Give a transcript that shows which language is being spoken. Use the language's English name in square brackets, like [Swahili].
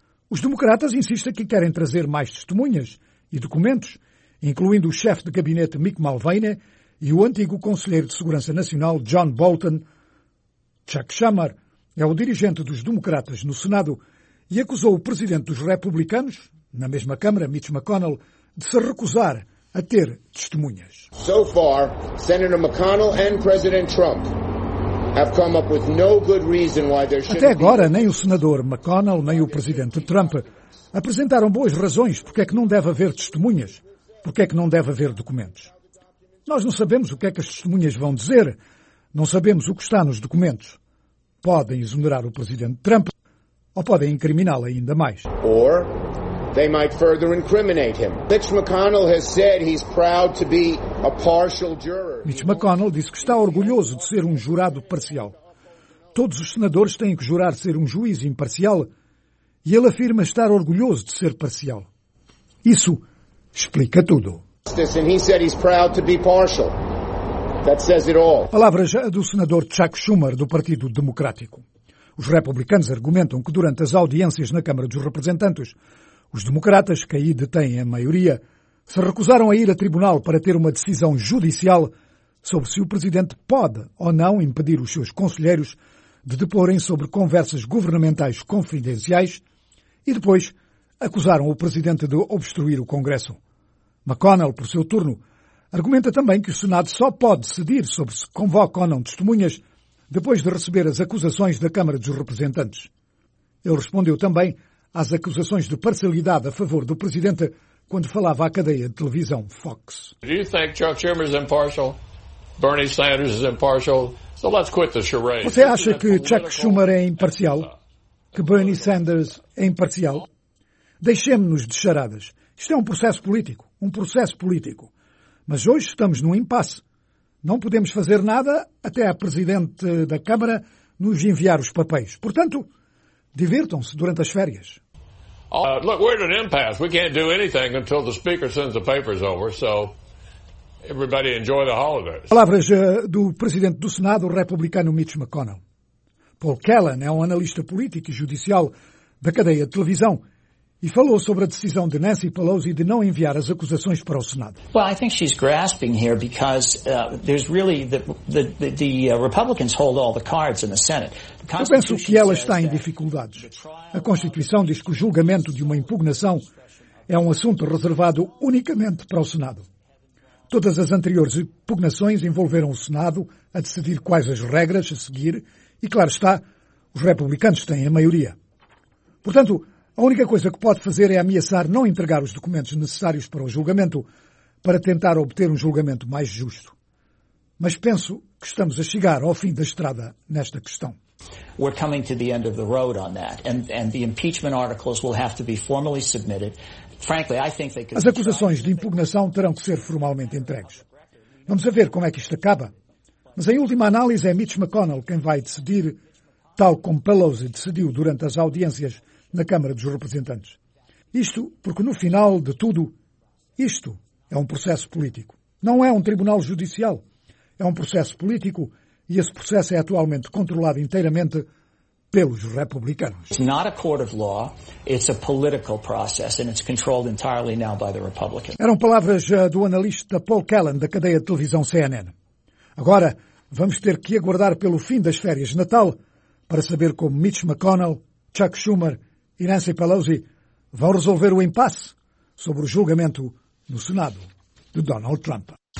[Portuguese] Os democratas insistem que querem trazer mais testemunhas e documentos, incluindo o chefe de gabinete Mick Mulvaney e o antigo conselheiro de Segurança Nacional John Bolton. Chuck Schumer é o dirigente dos democratas no Senado e acusou o presidente dos republicanos, na mesma Câmara, Mitch McConnell, de se recusar a ter testemunhas. [English] So far, Senator McConnell and President Trump have come up with no good reason why there should be... [Portuguese] Até agora, nem o senador McConnell, nem o presidente Trump apresentaram boas razões porque é que não deve haver testemunhas, porque é que não deve haver documentos. Nós não sabemos o que é que as testemunhas vão dizer, não sabemos o que está nos documentos. Podem exonerar o presidente Trump ou podem incriminá-lo ainda mais. [English] Or they might further incriminate him. Mitch McConnell has said he's proud to be a partial juror. [Portuguese] Mitch McConnell disse que está orgulhoso de ser um jurado parcial. Todos os senadores têm que jurar ser um juiz imparcial e ele afirma estar orgulhoso de ser parcial. Isso explica tudo. [English] And he said he's proud to be partial. That says it all. [Portuguese] Palavras do senador Chuck Schumer, do Partido Democrático. Os republicanos argumentam que durante as audiências na Câmara dos Representantes, os democratas, que aí detêm a maioria, se recusaram a ir a tribunal para ter uma decisão judicial sobre se o presidente pode ou não impedir os seus conselheiros de deporem sobre conversas governamentais confidenciais e depois acusaram o presidente de obstruir o Congresso. McConnell, por seu turno, argumenta também que o Senado só pode decidir sobre se convoca ou não testemunhas depois de receber as acusações da Câmara dos Representantes. Ele respondeu também às acusações de parcialidade a favor do presidente quando falava à cadeia de televisão Fox. [English] Do you think Chuck Schumer is impartial? Bernie Sanders is impartial? So let's quit the charade. [Portuguese] Você acha que Chuck Schumer é imparcial? Que Bernie Sanders é imparcial? Deixemos-nos de charadas. Isto é um processo político. Um processo político. Mas hoje estamos num impasse. Não podemos fazer nada até a Presidente da Câmara nos enviar os papéis. Portanto, divirtam-se durante as férias. [English] Look, we're at an impasse. We can't do anything until the Speaker sends the papers over, so everybody enjoy the holidays. [Portuguese] Palavras do Presidente do Senado, o republicano Mitch McConnell. Paul Kellen é um analista político e judicial da cadeia de televisão e falou sobre a decisão de Nancy Pelosi de não enviar as acusações para o Senado. [English] Well, I think she's grasping here because there's really the Republicans hold all the cards in the Senate. [Portuguese] Eu penso que ela está em dificuldades. A Constituição diz que o julgamento de uma impugnação é um assunto reservado unicamente para o Senado. Todas as anteriores impugnações envolveram o Senado a decidir quais as regras a seguir. E claro está, os republicanos têm a maioria. Portanto, a única coisa que pode fazer é ameaçar não entregar os documentos necessários para o julgamento, para tentar obter um julgamento mais justo. Mas penso que estamos a chegar ao fim da estrada nesta questão. [English] We're coming to the end of the road on that, and the impeachment articles will have to be formally submitted. Frankly, I think they could. [Portuguese] As acusações de impugnação terão que ser formalmente entregues. Vamos a ver como é que isto acaba. Mas em última análise é Mitch McConnell quem vai decidir, tal como Pelosi decidiu durante as audiências na Câmara dos Representantes. Isto porque, no final de tudo, isto é um processo político. Não é um tribunal judicial. É um processo político e esse processo é atualmente controlado inteiramente pelos republicanos. [English] It's not a court of law, it's a political process, and it's controlled entirely now by the Republicans. [Portuguese] Eram palavras do analista Paul Kellen, da cadeia de televisão CNN. Agora, vamos ter que aguardar pelo fim das férias de Natal para saber como Mitch McConnell, Chuck Schumer e Nancy Pelosi vão resolver o impasse sobre o julgamento no Senado de Donald Trump.